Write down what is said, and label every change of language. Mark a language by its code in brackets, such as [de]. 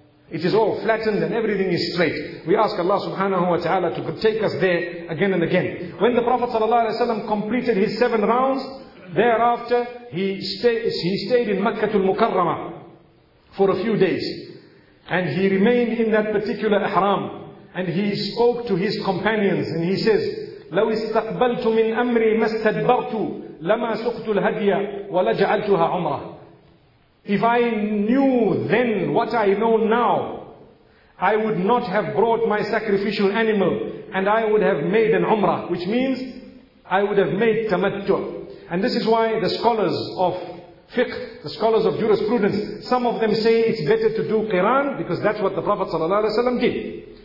[en] It is all flattened and everything is straight. We ask Allah subhanahu wa ta'ala to take us there again and again. When the Prophet sallallahu alaihi wasallam completed his 7 rounds, thereafter he stayed in Makkah al-Mukarramah for a few days. And he remained in that particular ihram. And he spoke to his companions and he says, [ar] لَوِ اسْتَقْبَلْتُ مِنْ أَمْرِي مَسْتَدْبَرْتُ لَمَا سُقْتُ الْهَدْيَ وَلَجَعَلْتُهَا عُمْرَةً. [en] If I knew then what I know now, I would not have brought my sacrificial animal and I would have made an umrah, which means I would have made tamattu'. And this is why the scholars of fiqh, the scholars of jurisprudence, some of them say it's better to do qiran because that's what the Prophet ﷺ did.